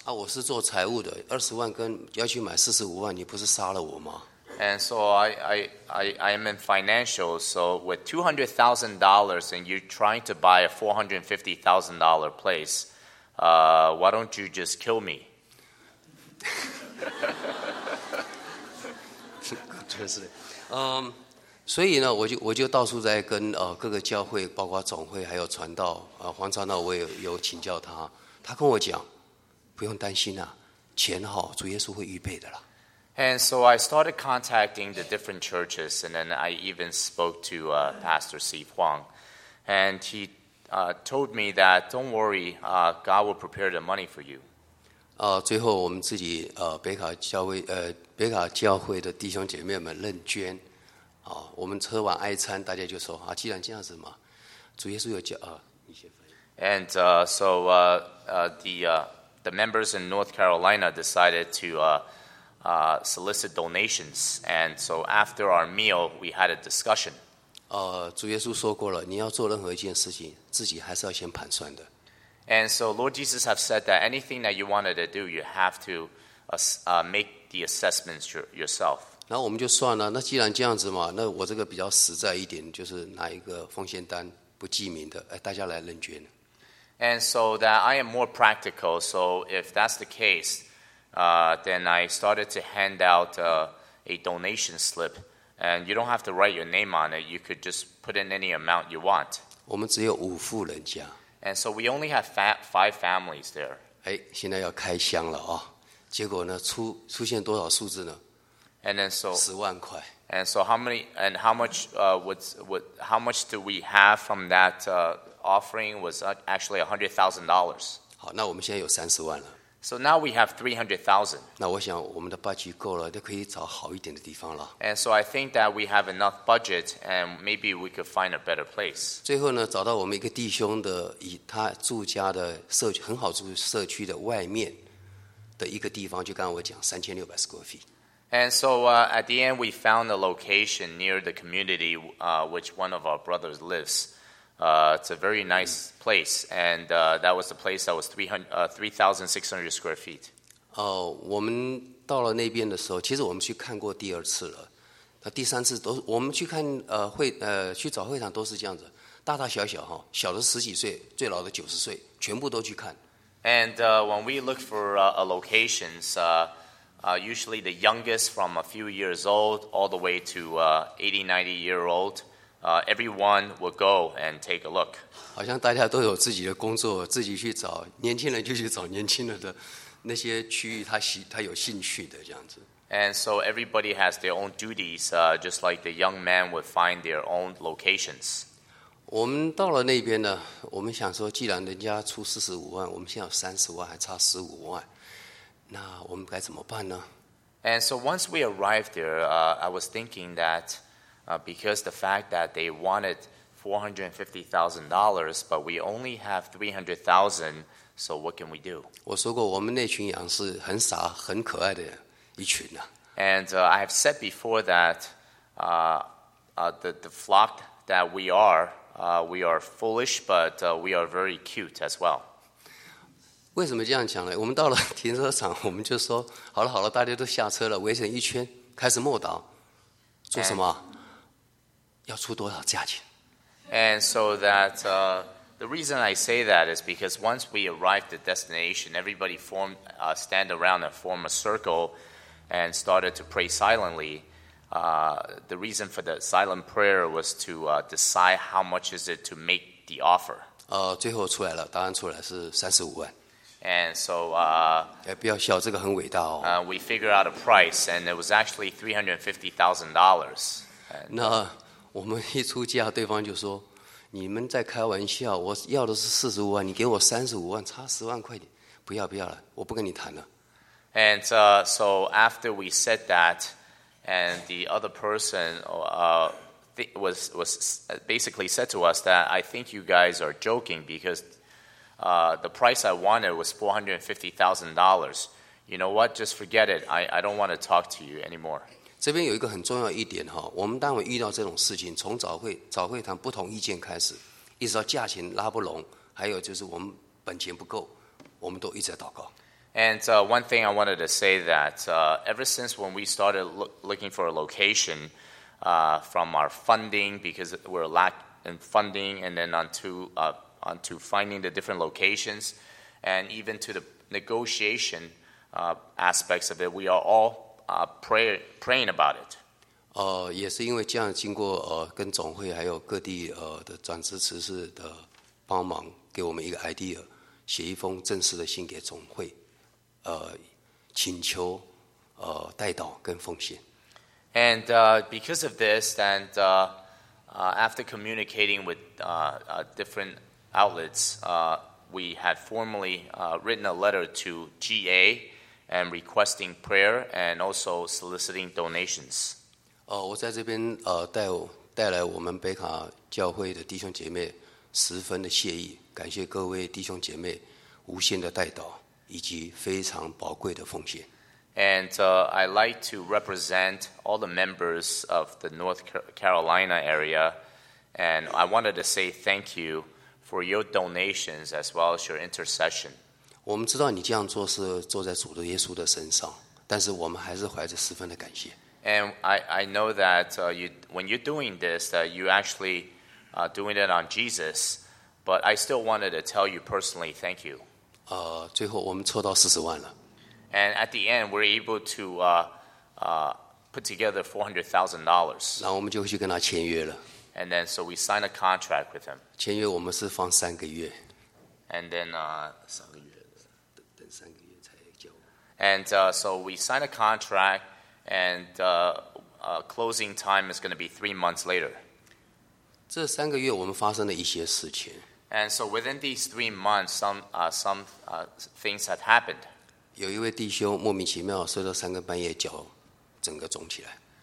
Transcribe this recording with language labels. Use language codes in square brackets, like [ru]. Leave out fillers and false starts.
[zh] 啊，我是做财务的，二十万跟要去买45万，你不是杀了我吗 [en] ？And so I am in financial. So with $200,000 and you're trying to buy a $450,000 place. Why don't you just kill me? Seriously. [zh] 所以呢，我就到处在跟各个教会，包括总会，还有传道，黄传道，我也有请教他。他跟我讲，不用担心啦，钱好，主耶稣会预备的啦。 [en] And so I started contacting the different churches, and then I even spoke to Pastor Steve Huang, and he. Told me that don't worry, God will prepare the money for you. [zh] 最后我们自己北卡教会北卡教会的弟兄姐妹们认捐，我们吃完哀餐，大家就说既然这样子嘛，主耶稣有教一些分。 [en] And so the members in North Carolina decided to solicit donations, and so after our meal, we had a discussion. [zh] 主耶稣说过了，你要做任何一件事情，自己还是要先盘算的。 [en] And so Lord Jesus have said that anything that you wanted to do, you have to make the assessments yourself. [zh] 然后我们就算了，那既然这样子嘛，那我这个比较实在一点，就是拿一个奉献单，不记名的，大家来认捐。 [en] And so that I am more practical. So if that's the case, then I started to hand out a donation slip. And you don't have to write your name on it. You could just put in any amount you want. [zh] 我们只有五户人家。 [en] And so we only have five families there. [zh] 哎，现在要开箱了结果呢，出现多少数字呢 [en] ？And then so [zh] 十万块。 [en] And so how many and how much how much do we have from that offering was actually $100,000. [zh] 好，那我们现在有30万了。 [en] So now we have 300,000. [zh] 那我想我们的 budget 够了，就可以找好一点的地方了。 [en] And so I think that we have enough budget, and maybe we could find a better place. [zh] 最后呢，找到我们一个弟兄的，以他住家的社区很好住社区的外面的一个地方，就刚刚我讲3600 [en] square feet. And so at the end, we found a location near the community, which one of our brothers lives. It's a very nice place, and that was the place that was 3,600 square feet. [zh] 我们到了那边的时候，其实我们去看过第二次了。那第三次都我们去看去找会堂都是这样子，大大小小哈，小的十几岁，最老的90岁，全部都去看。 [en] And when we look for locations, usually the youngest from a few years old all the way to 80-90 year old. Everyone will go and take a look. [zh] 好像大家都有自己的工作，自己去找年轻人就去找年轻人的那些区域，他有兴趣的这样子。 [en] And so everybody has their own duties, just like the young man would find their own locations. [zh] 我们到了那边呢，我们想说，既然人家出四十五万，我们现在有30万，还差15万，那我们该怎么办呢 [en] ？And so once we arrived there, I was thinking that. Because the fact that they wanted $450,000, but we only have $300,000, so what can we do? [zh] 我说过，我们那群羊是很傻、很可爱的一群呢。 [en] And I have said before that the flock that we are foolish, but we are very cute as well. [zh] 为什么这样讲呢？我们到了停车场，我们就说好了好了，大家都下车了，围成一圈开始默祷，做什么？ [en] And, [zh] 要出多少价钱？ [en] And so that the reason I say that is because once we arrived at destination, everybody formed stand around and form a circle and started to pray silently. The reason for the silent prayer was to decide how much is it to make the offer. [zh] 最后出来了，答案出来是35万。 [en] And so, [zh] 不要笑，这个很伟大哦。 [en] We figured out a price, and it was actually $350,000. [zh] 那我们一出价，对方就说：“你们在开玩笑，我要的是45万，你给我35万，差10万块钱，不要不要了，我不跟你谈了。” [en] And so after we said that, and the other person was basically said to us that I think you guys are joking because. The price I wanted was $450,000. You know what? Just forget it. I don't want to talk to you anymore. [zh] 这边有一个很重要一点哈，我们单位遇到这种事情，从早会谈不同意见开始，一直到价钱拉不拢，还有就是我们本钱不够，我们都一直在祷告。 [en] And one thing I wanted to say that ever since when we started looking for a location, from our funding because we're lack in funding, and then onto finding the different locations, and even to the negotiation aspects of it, we are all praying about it. [zh] 也是因为这样经过跟总会还有各地的转职慈事的帮忙，给我们一个 idea， 写一封正式的信给总会，请求代祷跟奉献。 [en] And because of this, and after communicating with differentOutlets, we had formally written a letter to GA and requesting prayer and also soliciting donations. [zh] 我在这边带来我们北卡教会的弟兄姐妹十分的谢意，感谢各位弟兄姐妹无限的代祷以及非常宝贵的奉献。 [en] And I'd like to represent all the members of the North Carolina area, and I wanted to say thank you. For your donations as well as your intercession. [zh] 我们知道你这样做是坐在主耶稣的身上，但是我们还是怀着十分的感谢。 [en] And I know that when you're doing this, that you actually doing it on Jesus, but I still wanted to tell you personally thank you. [zh] 最后我们凑到40万了。 [en] And at the end, we're able to put together $400,000. [zh] 那我们就去跟他签约了。 [en] And then, so we signed a contract with him. [zh] 签约我们是放三个月。 [en] And then, [zh] 三个月，等三个月才交。 [en] And so we signed a contract, and closing time is going to be 3 months later. [zh] 这三个月我们发生了一些事情。 [en] And so within these 3 months, some things had happened. [zh] 有一位弟兄莫名其妙睡到三更半夜，脚整个肿起来。